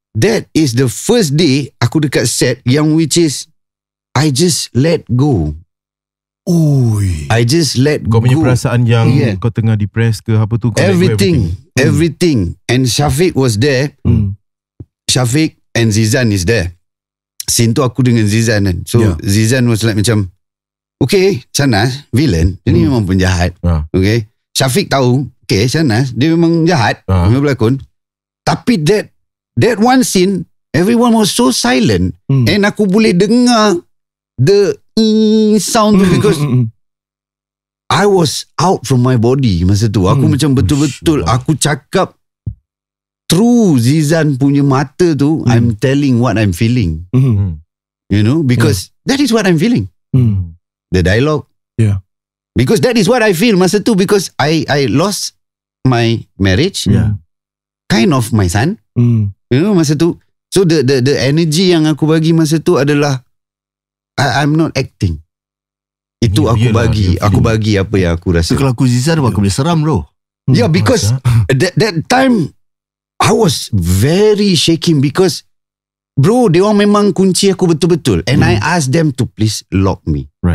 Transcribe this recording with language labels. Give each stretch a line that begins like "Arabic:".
English: That is the first day
Malay: aku dekat set yang
English: which is I just let go. Ooh. I just let
Malay: go. Kau punya perasaan yang kau tengah depressed ke apa tu?
English: Everything. Everything. And Syafiq was there. Syafiq and Zizan is there.
Malay: Scene tu aku dengan Zizan kan.
English: So Zizan was like
Malay: macam, okay, Shanas, villain. Dia ni memang penjahat. Okay. Syafiq tahu, okay, Shanas, dia memang jahat. Memang berlakon.
English: Tapi that one scene, everyone was so silent. And
Malay: aku boleh dengar
English: the sound because I was out from my body
Malay: masa tu. Aku macam betul-betul, aku cakap through Zizan punya mata tu,
English: I'm telling what I'm feeling. You know, because that is what I'm feeling. The dialogue. Because that is what I feel
Malay: masa tu,
English: because I lost my marriage. Kind of my son. You know,
Malay: masa tu. So the energy yang aku bagi masa tu adalah
English: I'm not acting.
Malay: Itu aku bagi. Aku bagi apa yang aku rasa. Kalau aku Zizan, aku boleh seram, bro.
English: Yeah, because that time I was very shaking because bro,
Malay: dia orang memang kunci aku betul-betul.
English: And I asked them to please lock me.